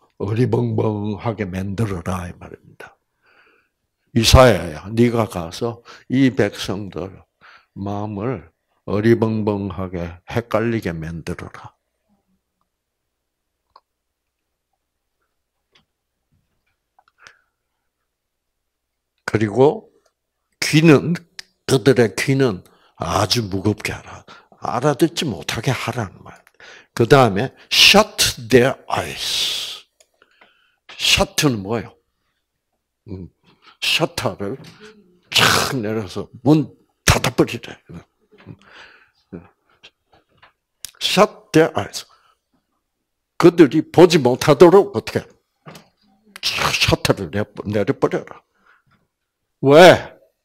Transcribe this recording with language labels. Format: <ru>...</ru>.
<ko>어리벙벙하게 만들어라. 이 말입니다. 이사야야, 네가 가서 이 백성들 마음을 어리벙벙하게 헷갈리게 만들어라. 그리고 귀는, 그들의 귀는 아주 무겁게 하라. 알아듣지 못하게 하라는 말. 그 다음에</ko> <en>shut their eyes.</en> <ko>shut는 뭐예요? shutter를 촥 내려서 문 닫아버리래.</ko> <en>shut their eyes.</en> <ko>그들이 보지 못하도록 어떻게 촥 shutter를 내려버려라. 왜?</ko>